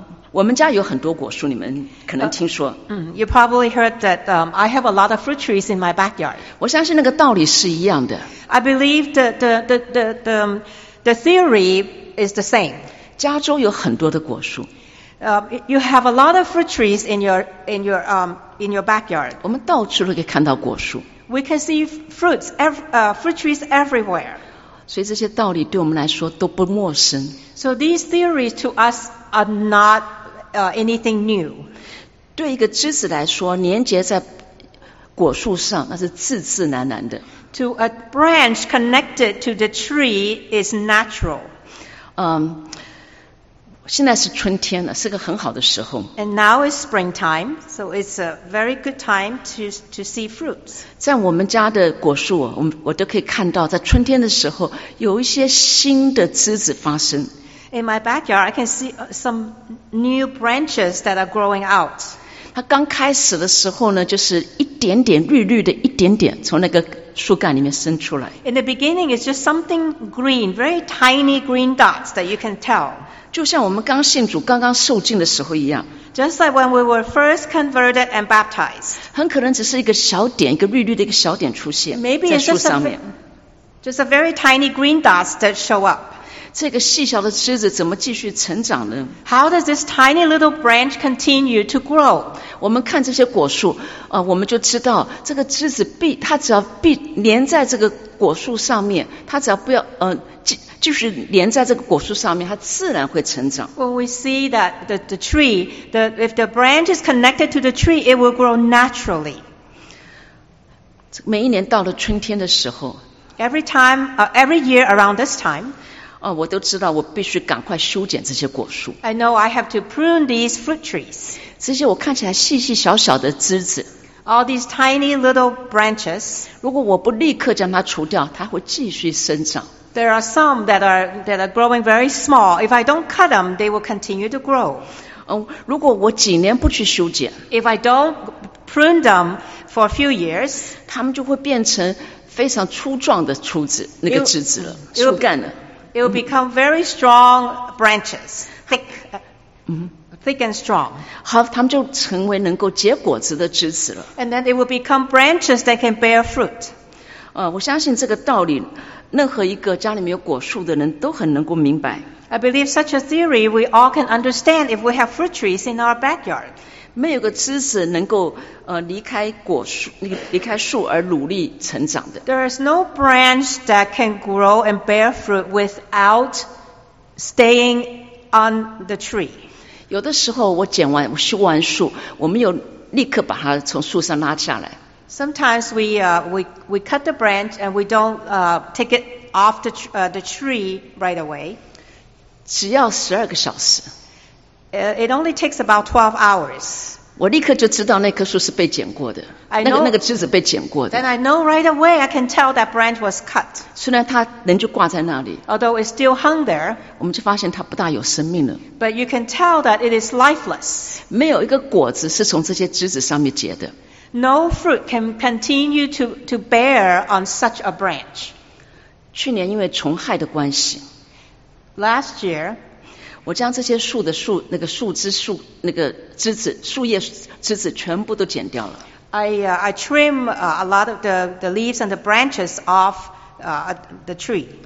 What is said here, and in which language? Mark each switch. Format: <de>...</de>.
<zh>我们家有很多果树，你们可能听说。</zh> <en>You probably heard that I have a lot of fruit trees in my backyard.</en> <zh>我相信那个道理是一样的。</zh> <en>I believe the theory is the same.</en> <zh>加州有很多的果树。</zh> <en>You have a lot of fruit trees in your backyard.</en> <zh>我们到处都可以看到果树。</zh> <en>We can see fruit trees everywhere.</en> <zh>所以这些道理对我们来说都不陌生。</zh> <en>So these theories to us are not anything new.</en> <zh>对一个枝子来说，连接在果树上，那是自自然然的。</zh> <en>To a branch connected to the tree is natural.</en> <zh>现在是春天了，是个很好的时候。</zh> <en>And now it's springtime, so it's a very good time to see fruits.</en> <zh>在我们家的果树，我都可以看到，在春天的时候有一些新的枝子发生。</zh> <en>In my backyard, I can see some new branches that are growing out.</en> <zh>它刚开始的时候呢，就是一点点绿绿的，一点点从那个树干里面伸出来。</zh> <en>In the beginning, it's just something green, very tiny green dots that you can tell.</en> <zh>就像我们刚信主刚刚受浸的时候一样。</zh> <en>Just like when we were first converted and baptized.</en> <zh>很可能只是一个小点，一个绿绿的一个小点出现在树上面。</zh> <en>Just a very tiny green dots that show up.</en> <zh>这个细小的枝子怎么继续成长呢？</zh> <en>How does this tiny little branch continue to grow?</en> <zh>我们看这些果树，我们就知道这个枝子它只要连在这个果树上面，它只要不要就是连在这个果树上面，它自然会成长。</zh> <en>When we see that the tree, if the branch is connected to the tree, it will grow naturally.</en> <zh>每一年到了春天的时候</zh> <en>every year around this time,</en> <zh>我都知道我必须赶快修剪这些果树。</zh> <en>I know I have to prune these fruit trees.</en> <zh>这些我看起来细细小小的枝子。</zh> <en>All these tiny little branches.</en> <zh>如果我不立刻将它除掉，它会继续生长。</zh> <en>There are some that are growing very small. If I don't cut them, they will continue to grow.</en> <zh>如果我几年不去修剪</zh> <en>，If I don't prune them for a few years,</en> <zh>它们就会变成非常粗壮的枝子，那个枝子了，树干了。</zh> <en>It will become very strong branches, thick and strong.</en> <zh>好，它们就成为能够结果子的枝子了。</zh> <en>And then it will become branches that can bear fruit.</en> <zh>我相信这个道理。任何一个家里面有果树的人都很能够明白。</zh> <en>I believe such a theory we all can understand if we have fruit trees in our backyard.</en> <zh>没有个枝子能够离开果树离开树而努力成长的。</zh> <en>There is no branch that can grow and bear fruit without staying on the tree.</en> <zh>有的时候我剪完我修完树，我没有立刻把它从树上拉下来。</zh> <en>Sometimes we cut the branch and we don't take it off the tree right away.</en> <zh>只要十二个小时。</zh> <en>It only takes about 12 hours.</en> <zh>我立刻就知道那棵树是被剪过的。那个枝子被剪过的。</zh> <en>Then I know right away I can tell that branch was cut.</en> <zh>虽然它仍就挂在那里。</zh> <en>Although it still hung there.</en> <zh>我们就发现它不大有生命了。</zh> <en>But you can tell that it is lifeless.</en> <zh>没有一个果子是从这些枝子上面结的。</zh> <en>No fruit can continue to bear on such a branch.</en> <zh>去年因为虫害的关系。</zh> <en>Last year,</en> <zh>我将这些树的树那个树枝树那个枝子树叶枝子全部都剪掉了。</zh> <en>I trim a lot of the leaves and the branches off the tree.</en>